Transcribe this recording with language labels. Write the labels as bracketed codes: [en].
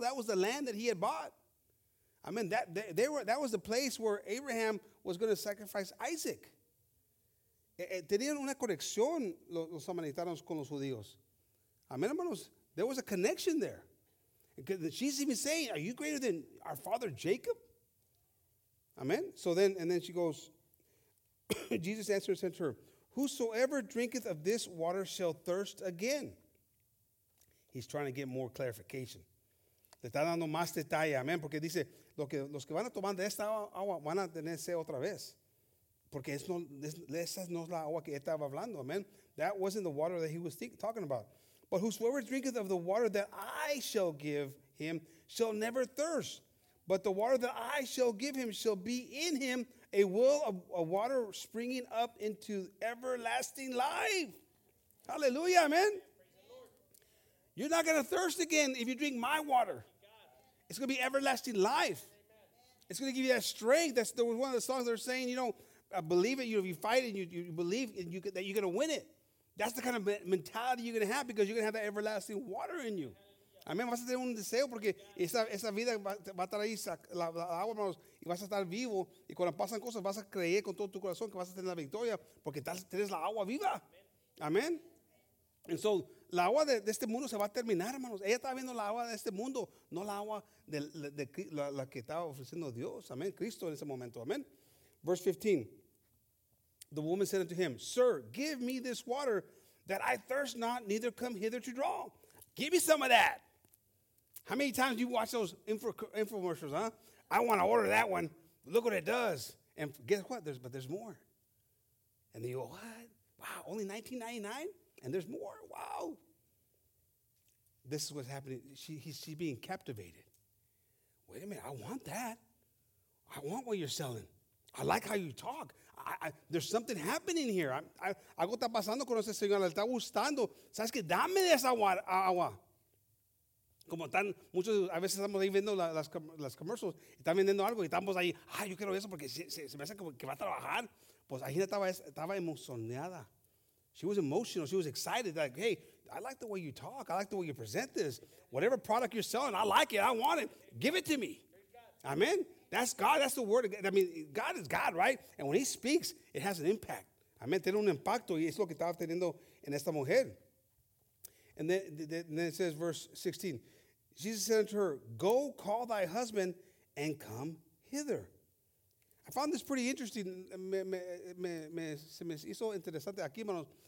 [en] That was the land that he had bought. I mean, that was the place where Abraham was going to sacrifice Isaac. [es] Tenían una conexión los samaritanos con los judíos. [en] Amen, hermanos. There was a connection there. She's even saying, are you greater than our father Jacob? Amen. So then, and then she goes, Jesus answered and said to her, whosoever drinketh of this water shall thirst again. He's trying to get more clarification. [es] Le está dando más detalle, amén, porque dice, los que van a tomar de esta agua van a tener sed otra vez, porque esa no es la agua que estaba hablando, amén. [en] That wasn't the water that he was talking about. But whosoever drinketh of the water that I shall give him shall never thirst, but the water that I shall give him shall be in him a well of a water springing up into everlasting life. Hallelujah, amén. You're not going to thirst again if you drink my water. It's going to be everlasting life. It's going to give you that strength. That's the one of the songs that are saying, you know, believe it. You know, if you fight it, you believe it, that you're going to win it. That's the kind of mentality you're going to have because you're going to have that everlasting water in you. [es] Amén. Vas a tener un deseo porque esa vida va a estar ahí, la agua, hermanos, y vas a estar vivo. Y cuando pasan cosas, vas a creer con todo tu corazón que vas a tener la victoria porque tienes la agua viva. Amén. [en] And so, [es] la agua de este mundo se va a terminar, hermanos. Ella estaba viendo la agua de este mundo, no la agua de la que estaba ofreciendo Dios. Amén. Cristo en ese momento. Amén. [en] Verse 15. The woman said unto him, Sir, give me this water that I thirst not, neither come hither to draw. Give me some of that. How many times do you watch those infomercials, huh? I want to order that one. Look what it does. And guess what? There's more. And then you go, what? Wow, only $19.99? And there's more. Wow. This is what's happening. She's being captivated. Wait a minute. I want that. I want what you're selling. I like how you talk. There's something happening here. [es] Algo está pasando con ese señor. Le está gustando. ¿Sabes qué? Dame de esa agua. Como están muchos, a veces estamos ahí viendo las commercials. Están vendiendo algo y estamos ahí. Ay, yo quiero eso porque se me hace como que va a trabajar. Pues ahí estaba emocionada. [en] She was emotional. She was excited. Like, hey, I like the way you talk. I like the way you present this. Whatever product you're selling, I like it. I want it. Give it to me. Amen. That's God. That's the word. I mean, God is God, right? And when he speaks, it has an impact. [es] Amen. Tiene un impacto. Y es lo que estaba teniendo en esta mujer. [en] And then it says, verse 16. Jesus said unto her, go call thy husband and come hither. I found this pretty interesting. [es] Se me hizo interesante aquí, hermanos.